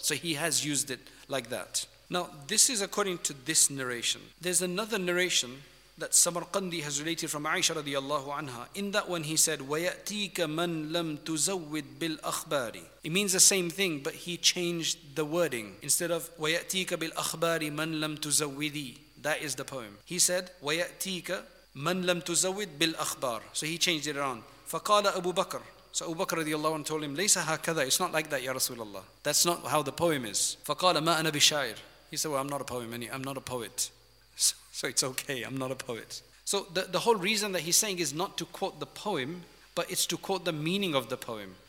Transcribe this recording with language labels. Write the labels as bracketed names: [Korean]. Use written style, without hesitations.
[English] So he has used it like that. Now, this is according to this narration. There's another narration that Samarqandi has related from Aisha radiallahu anha. In that one he said, وَيَأْتِيكَ مَنْ لَمْ تُزَوِّدْ بِالْأَخْبَارِ. It means the same thing, but he changed the wording. [Arabic] Instead of وَيَأْتِيكَ بِالْأَخْبَارِ مَنْ لَمْ تُزَوِّدِي. [English] That is the poem. [Arabic] He said, وَيَأْتِيكَ مَنْ لَمْ تُزَوِّدْ بِالْأَخْبَارِ. [English] So he changed it around. فَقَالَ أَبُو بَكْرِ. So Abu Bakr radiallahu anhu told him, Laysa hakada, it's not like that, Ya Rasulullah. That's not how the poem is. Faqala ma ana bishair. He said, well, I'm not a poem, I'm not a poet. So it's okay, I'm not a poet. So the whole reason that he's saying is not to quote the poem, but it's to quote the meaning of the poem.